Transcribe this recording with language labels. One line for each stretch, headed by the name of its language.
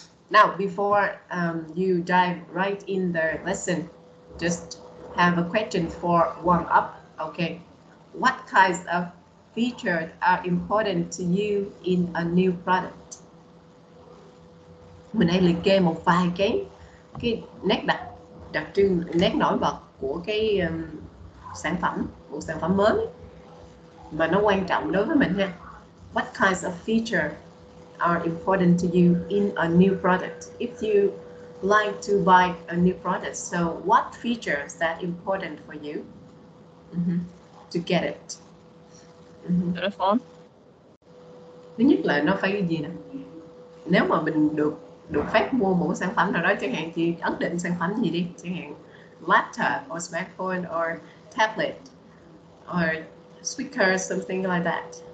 English: Now, before you dive right in the lesson, just have a question for warm up. Okay. What kinds of features are important to you in a new product?
Vietnamese: Mình hãy liệt kê một vài cái nét đặc trưng, nét nổi bật của cái sản phẩm mới mà nó quan trọng đối với mình nha.
English: What kinds of features are important to you in a new product? If you like to buy a new product, so what features that important for you to get it? Telephone.
Vietnamese: Thứ nhất là nó phải cái gì nè? Nếu mà mình được phép mua một sản phẩm nào đó, chẳng hạn chị ấn định sản phẩm gì đi, chẳng hạn
English: laptop or smartphone or tablet or speaker, something like that.